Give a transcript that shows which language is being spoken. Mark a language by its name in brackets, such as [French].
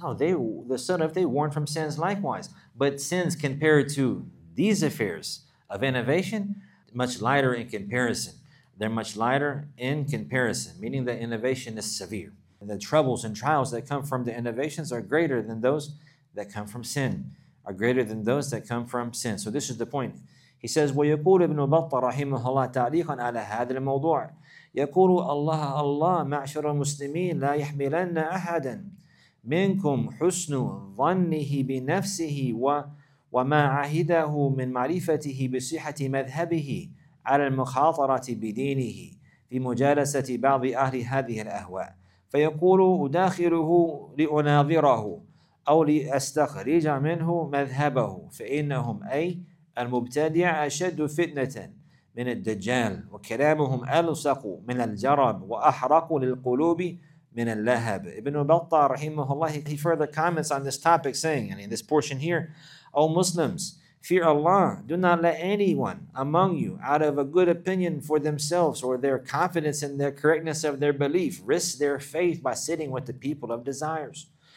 [English] No, the Salaf warn from sins likewise. But sins compared to these affairs of innovation, much lighter in comparison. They're much lighter in comparison, meaning that innovation is severe. And the troubles and trials that come from the innovations are greater than those that come from sin. So this is the point. He says, [Arabic] وَيَقُولُ ابْنُ بَطَّ رَحِمُهُ اللَّهِ تَعْلِيقًا عَلَى هَذِي الْمَوْضُوعِ يَقُولُ اللَّهَ اللَّهَ مَعْشَرَ الْمُسْلِمِينَ لَا يَحْمِلَنَّ أَحَدًا مِنْكُمْ حُسْنُ ظَنِّهِ بِنَفْسِهِ وَمَا عَهِدَهُ مِنْ مَعْرِفَتِهِ بِصِحَةِ مَذْهَبِهِ عَلَى الْمُخَاطَرَةِ بِدِينِهِ فِي مُجَالَسَةِ بَعْضِ أَهْلِ هَذِهِ الْأَهْوَاءِ فيقول أداخله لأناظره أو لأستخرج منه مذهبه فإنهم أي المبتدع أشد فتنة من الدجال وكلامهم ألصق من الجرب وأحرق للقلوب من اللهب. [English] Ibn Battah رحمه الله, he further comments on this topic saying, and in this portion here, O Muslims, fear Allah, do not let anyone among you, out of a good opinion for themselves or their confidence in their correctness of their belief, risk their faith by sitting with the people of desires.